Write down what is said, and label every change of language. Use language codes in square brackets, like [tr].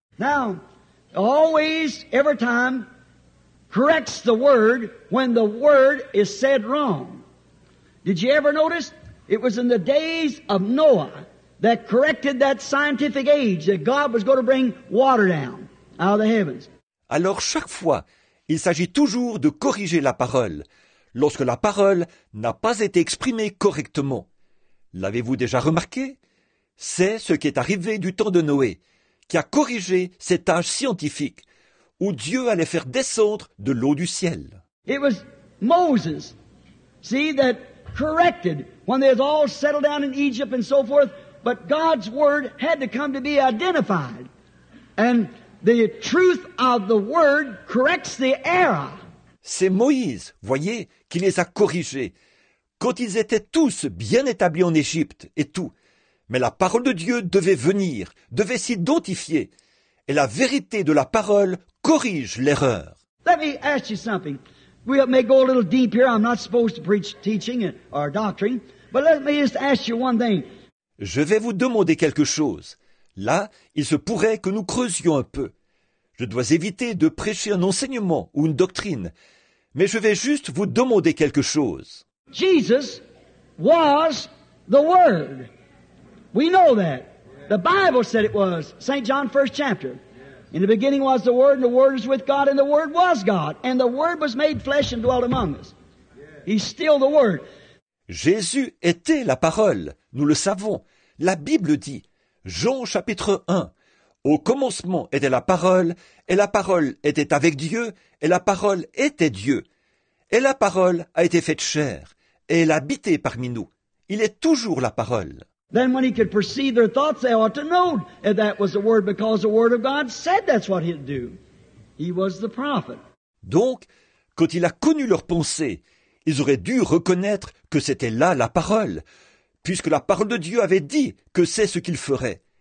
[en] Now, always, every time, corrects the word when the word is said wrong. Did you ever notice? It was in the days of Noah that corrected that scientific age that God was going to bring water down out of the heavens. [fr] Alors chaque fois, Il s'agit toujours de corriger la parole lorsque la parole n'a pas été exprimée correctement. L'avez-vous déjà remarqué? C'est ce qui est arrivé du temps de Noé, qui a corrigé cet âge scientifique où Dieu allait faire descendre de l'eau du ciel. [en] It was Moses, see, that corrected when they all settled down in Egypt and so forth, but God's word had to come to be identified. And the truth of the word corrects the error. [fr] C'est Moïse, voyez, qui les a corrigés quand ils étaient tous bien établis en Égypte et tout. Mais la parole de Dieu devait venir, devait s'identifier. Et la vérité de la parole corrige l'erreur. [en] Let me ask you something. We may go a little deep here. I'm not supposed to preach teaching or doctrine. But let me just ask you one thing. [fr] Je vais vous demander quelque chose. Là, il se pourrait que nous creusions un peu. Je dois éviter de prêcher un enseignement ou une doctrine. Mais je vais juste vous demander quelque chose. [en] Jesus was the Word. We know that. The Bible said it was. St. John, first chapter. In the beginning was the Word, and the Word was with God, and the Word was God. And the Word was made flesh and dwelt among us. He's still the Word. [fr] Jésus était la parole. Nous le savons. La Bible dit. Jean, chapitre 1. Au commencement était la parole, et la parole était avec Dieu, et la parole était Dieu. Et la parole a été faite chair, et elle habitait parmi nous. Il est toujours la parole. [en] Then when he could perceive their thoughts, they ought to know that that was the word, because the word of God said that's what he'd do. He was the prophet. [fr] Donc, quand il a connu leurs pensées, ils auraient dû reconnaître que c'était là la parole, puisque la parole de Dieu avait dit que c'est ce qu'il ferait.